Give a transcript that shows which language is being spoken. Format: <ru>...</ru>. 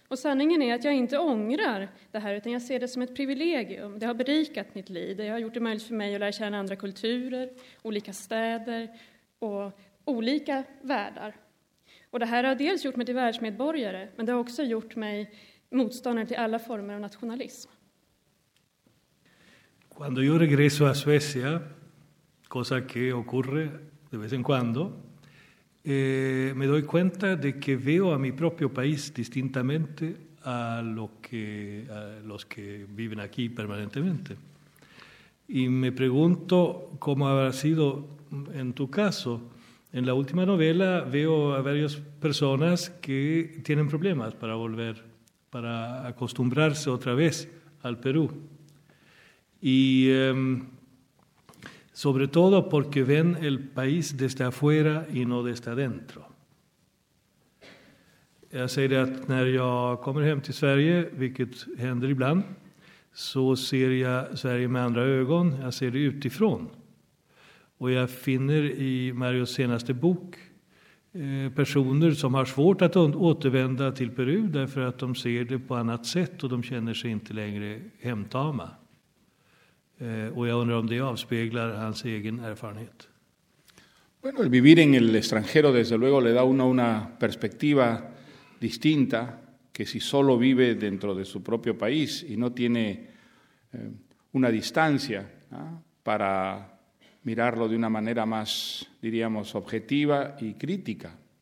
<sv>Och sanningen är att jag inte ångrar det här, utan jag ser det som ett privilegium. Det har berikat mitt liv. Det har gjort det möjligt för mig att lära känna andra kulturer, olika städer och olika världar. Och det här har dels gjort mig till världsmedborgare, men det har också gjort mig motståndare till alla former av nationalism.</sv> <es>Cuando yo regreso a Suecia, cosa que ocurre de vez en cuando, me doy cuenta de que veo a mi propio país distintamente a lo que a los que viven aquí permanentemente. Y me pregunto cómo habrá sido en tu caso. En la última novela veo a varias personas que tienen problemas para volver, para acostumbrarse otra vez al Perú. Y sobre todo porque ven el país desde afuera y no desde adentro.</es> <sv>Jag säger att när jag kommer hem till Sverige, vilket händer ibland, så ser jag Sverige med andra ögon. Jag ser det utifrån. Och jag finner i Marios senaste bok personer som har svårt att återvända till Peru därför att de ser det på annat sätt och de känner sig inte längre hemtama. Och jag undrar om det avspeglar hans egen erfarenhet.</sv> <es>Bueno, el vivir en el extranjero desde luego le da uno una perspectiva distinta que si solo vive dentro de su propio país y no tiene una distancia, ¿no?, para mirarlo de una manera más, diríamos, objetiva y crítica.</es>